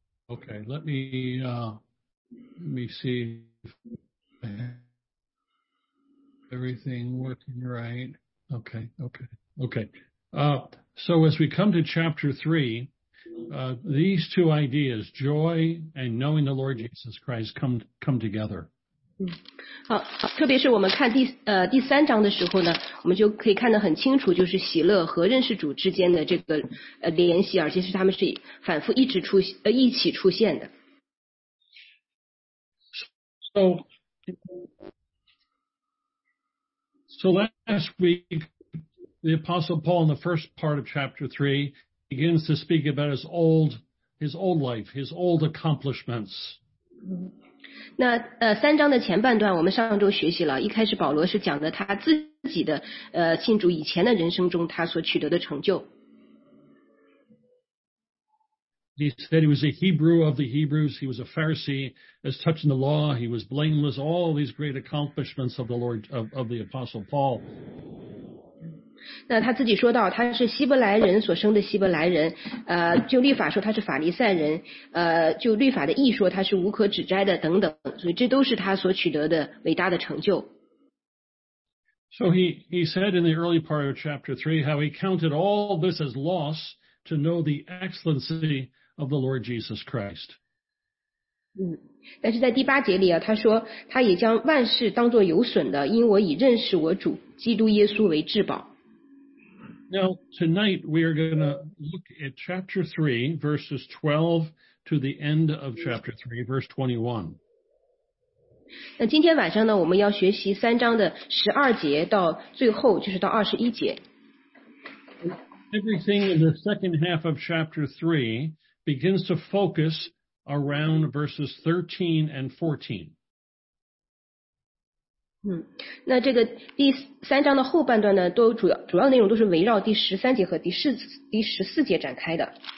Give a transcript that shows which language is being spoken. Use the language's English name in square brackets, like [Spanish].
[English] Okay, let me see if everything working right. Okay. So as we come to chapter 3, these two ideas, joy and knowing the Lord Jesus Christ, come together. [Chinese] 好，特别是我们看第三章的时候呢，我们就可以看得很清楚，就是喜乐和认识主之间的这个联系，而且是他们是反复一直一起出现的。 [English] So last week, the Apostle Paul, in the first part of chapter 3, begins to speak about his old his old life, his old accomplishments. [Chinese] 那三章的前半段我们上周学习了，一开始保罗是讲的他自己的信主以前的人生中他所取得的成就。 [English] He said he was a Hebrew of the Hebrews. He was a Pharisee as touching the law. He was blameless. All these great accomplishments of the Lord of the Apostle Paul. [Chinese] 那他自己说到他是希伯来人所生的希伯来人，就律法说他是法利赛人，就律法的义说他是无可指摘的等等，所以这都是他所取得的伟大的成就。 [English] So he said in the early part of chapter 3 how he counted all this as loss to know the excellency of the Lord Jesus Christ. [Chinese] 但是在第八节里啊，他说他也将万事当作有损的，因我以认识我主基督耶稣为至宝。 [English] Now, tonight we are going to look at chapter 3, verses 12 to the end of chapter 3, verse 21. [Chinese] 那今天晚上呢，我们要学习三章的十二节到最后，就是到二十一节。 [English] Everything in the second half of chapter 3 begins to focus around verses 13 and 14. [Chinese] 那这个第三章的后半段呢，都主要内容都是围绕第十三节和第十四节展开的。